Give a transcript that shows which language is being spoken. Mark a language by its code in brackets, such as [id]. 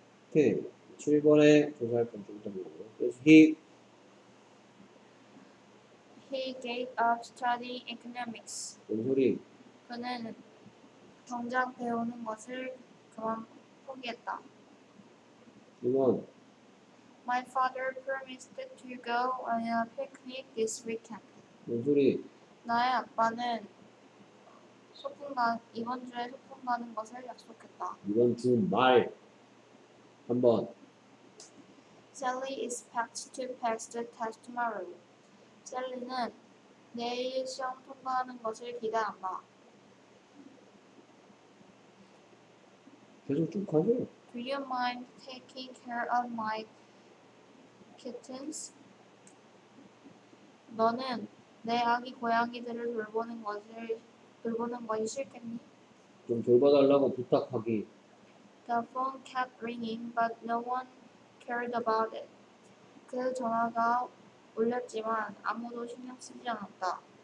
[ko] 오케이. 7번에 조사할 건 좀 더 보고. 그래서 [en] he gave up studying economics. [ko] 뭔 소리? 그는 경제학 배우는 것을 그만 포기했다. 이건. [en] My father promised to go on a picnic this weekend. [ko] 뭔 소리? 나의 아빠는 이번 주에 소풍 가는 것을 약속했다. 이번 주 말. 한번. [en] Sally is packed to pass the test tomorrow. [ko] Sally는 내일 시험 통과하는 것을 기대한다. 계속 쭉 가세요. [en] Do you mind taking care of my kittens? [ko] 너는 내 아기 고양이들을 돌보는 것이 싫겠니? 좀 돌봐달라고 부탁하기. [en] The phone kept ringing, but no one cared about it. [ko] 그 전화가 울렸지만 아무도 신경 쓰지 않았다.